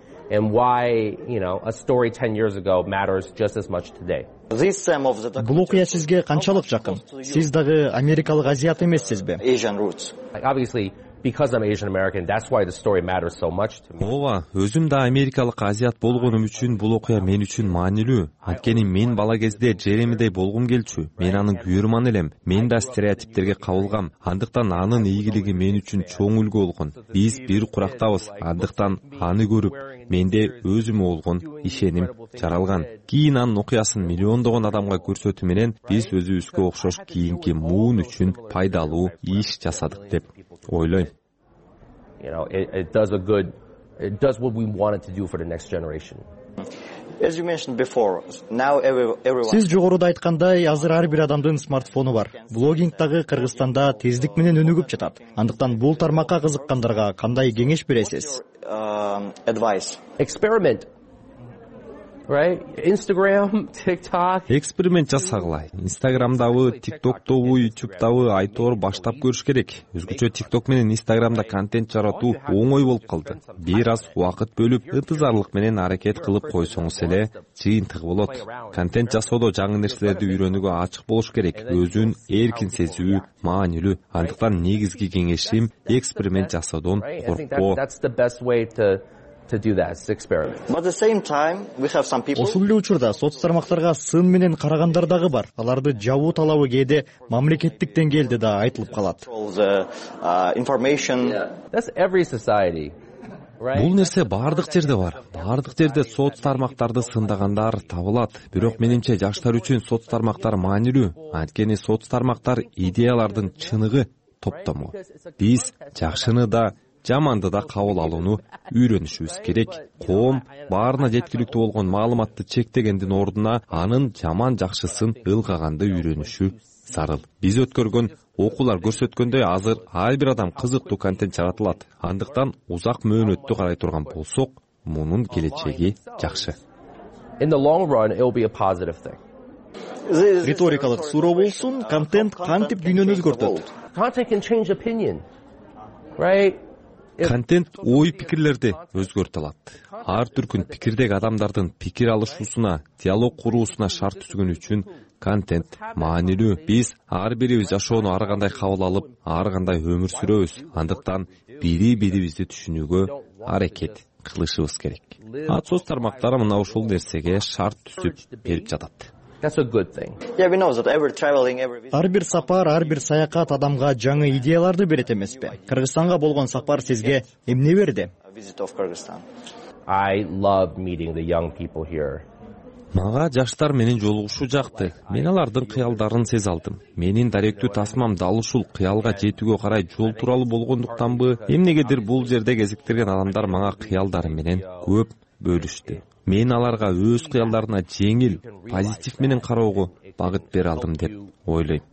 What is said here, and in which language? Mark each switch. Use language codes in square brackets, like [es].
[en] And why, you know, a story 10 years ago matters just as much today. [ky] Бул окуя сизге канчалык жакын? Сиз дагы америкалык азиат эмессизби? [en] Asian roots. Obviously, because I'm Asian American, that's why the story matters so much to me. [ky] Ова, өзүм да америкалык азиат болгонум үчүн бул окуя мен үчүн маанилүү. Анткени мен бала кезде Джеремидей болгум келчү. Мен анын күйөрман элем. Мен да стереотиптерге кабылгам. Андыктан анын ийгилиги мен үчүн чоң үлгү болгон. Биз бир курактабыз. Андыктан аны көрүп менде өзүмө болгон ишеним жаралган. Кийин анын окуясын миллиондогон адамга көрсөтүү менен биз өзүбүзгө окшош кийинки муун үчүн пайдалуу иш жасадык деп ойлойм. [en] You know, it does what we wanted to do for the next generation. As you mentioned before, now everyone. [ky] Сиз жогоруда айткандай, азыр ар бир адамдын смартфону бар. Блогинг дагы Кыргызстанда тездик менен өнүгүп жатат. Андыктан бул тармакка кызыккандарга кандай кеңеш бересиз? [en] Advice. Experiment. Right? Instagram, TikTok. [ky] Эксперимент жасагыла. Instagram-дабы, TikTok-тобу, YouTube-дабы айтор баштап көрүш керек. Өзгөчө TikTok менен Instagram-да контент жаратуу оңой болуп калды. Бир аз убакыт бөлүп, ынтызарлык менен аракет кылып койсоңуз эле жыйынтыгы болот. Контент жасоодо жаңы нерселерди үйрөнүүгө ачык болуш керек. Өзүн эркин сезүү маанилүү. Андыктан негизги кеңешим эксперимент жасоодон коркпоо. [en] To do that, it's experiment. But at the same time, we have some people. [ky] Ошол эле учурда соц тармактарга сын менен карагандар дагы бар. Аларды жабуу талабы кээде мамлекеттик деңгээлде да айтылып калат. [en] Information. That's every society. [ky] Бул нерсе бардык жерде бар. Бардык жерде соц тармактарды сындагандар табылат. Бирок менимче жаштар үчүн соц тармактар маанилүү. Анткени соц тармактар идеялардын чыныгы топтому. Биз жакшыны да жаманды да кабыл алууну үйрөнүшүбүз керек. Коом баарына жеткиликтүү болгон маалыматты чектегендин ордуна анын жаман жакшысын ылгаганды үйрөнүшү зарыл. Биз өткөргөн окуулар көрсөткөндөй, азыр ар бир адам кызыктуу контент жаратылат. Андыктан узак мөөнөттү карай турган болсок, мунун келечеги жакшы. [en] In the long run, it will be a positive thing. [ky] Риторикалык суроо болсун, контент кантип дүйнөнү өзгөртөт? [en] Content can change opinion. Right? [ky] Контент ой пикирлерди өзгөртө алат. Ар түркүн пикирдеги адамдардын пикир алышуусуна, диалог куруусуна шарт түзгөн үчүн контент маанилүү. Биз ар бирибиз жашоону ар кандай кабыл алып, ар кандай өмүр сүрөбүз. Андыктан бири бирибизди түшүнүүгө аракет кылышыбыз керек. Соц тармактар мына ушул нерсеге шарт түзүп берип жатат. [en] That's a good thing. Yeah, we know that every traveling, every visit. [ky] Ар бир сапар, ар бир саякат адамга жаңы идеяларды берет эмеспи? Кыргызстанга болгон сапар сизге эмне берди? [en] Visit of Kyrgyzstan. I love meeting the young people here. [ky] Мага жаштар менен жолугушуу жакты. Мен алардын кыялдарын сез алдым. Менин даректүү тасмам дал ушул кыялга жетүүгө карай жол туралы болгондуктанбы? Эмнегедир бул жерде кезиктирген адамдар мага кыялдары менен көп бөлүштү. Мен аларга өз кыялдарына жеңил, позитив менен кароого багыт бере алдым деп ойлойм.